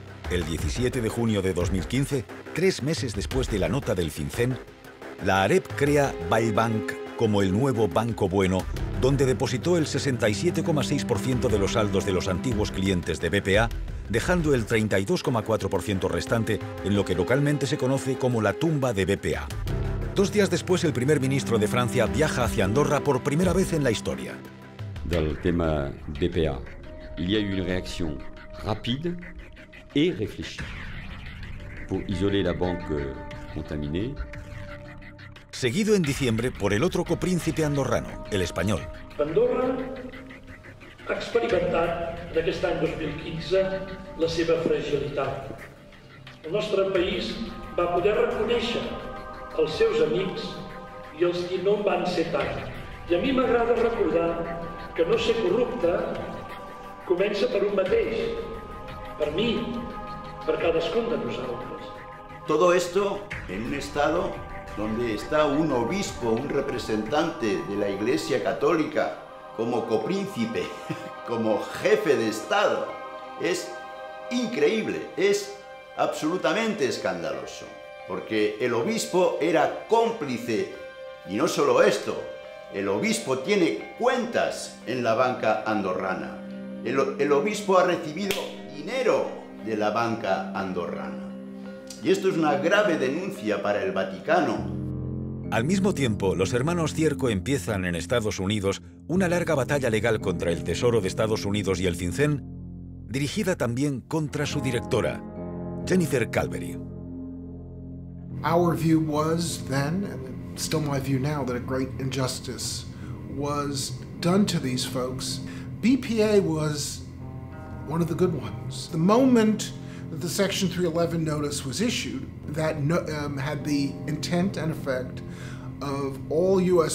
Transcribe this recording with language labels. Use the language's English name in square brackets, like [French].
[Spanish] El 17 de junio de 2015, 3 meses después de la nota del FinCEN, la AREP crea Bybank como el nuevo banco bueno, donde depositó el 67,6% de los saldos de los antiguos clientes de BPA, dejando el 32,4% restante en lo que localmente se conoce como la tumba de BPA. 2 días después, el primer ministro de Francia viaja hacia Andorra por primera vez en la historia. Del tema BPA, [French] il y a une réaction rapide et réfléchie pour isoler la banque contaminée. [Spanish] Seguido en diciembre por el otro copríncipe andorrano, el español. [Catalan] Andorra ha experimentat en aquest any 2015 la seva fragilitat. El nostre país va poder reconèixer els seus amics i els que no en van ser tant. I a mi m'agrada recordar que no ser corrupte comença per un mateix, per mi, per cadascun de nosaltres. [Spanish] Todo esto en un estado donde está un obispo, un representante de la Iglesia Católica, como copríncipe, como jefe de Estado. Es increíble, es absolutamente escandaloso, porque el obispo era cómplice, y no solo esto, el obispo tiene cuentas en la banca andorrana. El obispo ha recibido dinero de la banca andorrana. Y esto es una grave denuncia para el Vaticano. Al mismo tiempo, los hermanos Cierco empiezan en Estados Unidos una larga batalla legal contra el Tesoro de Estados Unidos y el FinCEN, dirigida también contra su directora, Jennifer Calvery. [English] Our view was then, and still my view now, that a great injustice was done to these folks. BPA was one of the good ones. The moment the Section 311 notice was issued that had the intent and effect of all U.S.